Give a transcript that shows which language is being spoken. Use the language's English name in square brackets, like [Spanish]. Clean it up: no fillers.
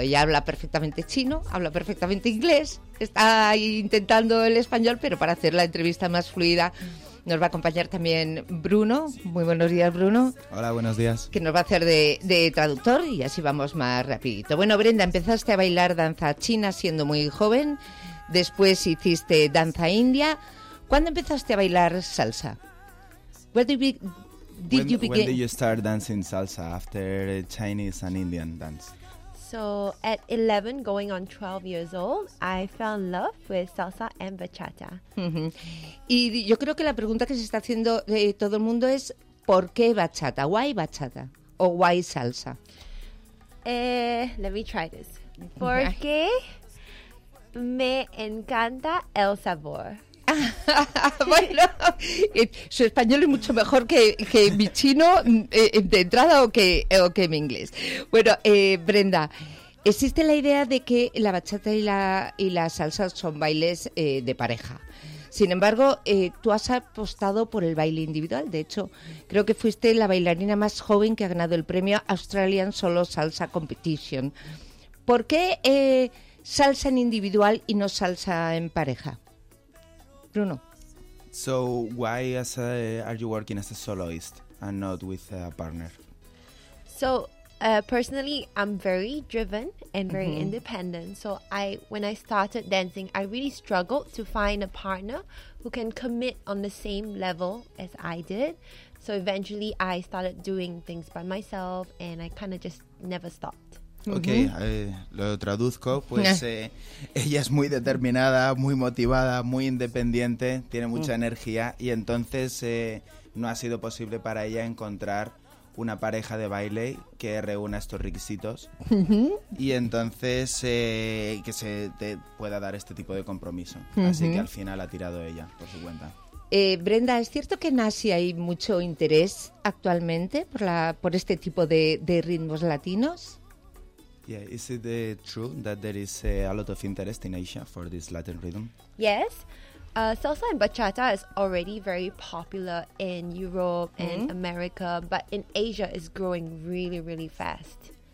[Spanish] Ella habla perfectamente chino, habla perfectamente inglés, está intentando el español, pero para hacer la entrevista más fluida nos va a acompañar también Bruno. Muy buenos días, Bruno. Hola, buenos días. Que nos va a hacer de traductor y así vamos más rapidito. Bueno, Brenda, empezaste a bailar danza china siendo muy joven, después hiciste danza india. ¿Cuándo empezaste a bailar salsa? [English] When did you start dancing salsa after Chinese and Indian dance? So at 11, going on 12 years old, I fell in love with salsa and bachata. [Spanish] Y yo creo que la pregunta que se está haciendo todo el mundo es ¿por qué bachata? [English] Why bachata? ¿O why salsa? Let me try this. [Spanish] Porque me encanta el sabor. Bueno, su español es mucho mejor que mi chino de entrada o que mi inglés. Bueno, Brenda, existe la idea de que la bachata y la salsa son bailes de pareja. Sin embargo, tú has apostado por el baile individual. De hecho, creo que fuiste la bailarina más joven que ha ganado el premio Australian Solo Salsa Competition. ¿Por qué salsa en individual y no salsa en pareja? Bruno. [English] So why are you working as a soloist and not with a partner? So personally, I'm very driven and very independent. So when I started dancing, I really struggled to find a partner who can commit on the same level as I did. So eventually, I started doing things by myself and I kind of just never stopped. [Spanish] Ok, lo traduzco, pues ella es muy determinada, muy motivada, muy independiente, tiene mucha energía y entonces no ha sido posible para ella encontrar una pareja de baile que reúna estos requisitos y entonces que se te pueda dar este tipo de compromiso, así que al final ha tirado ella por su cuenta. Brenda, ¿es cierto que en Asia hay mucho interés actualmente por este tipo de ritmos latinos? [English] Yeah, is it true that there is a lot of interest in Asia for this Latin rhythm? Yes, salsa and bachata is already very popular in Europe and America, but in Asia it's growing really, really fast.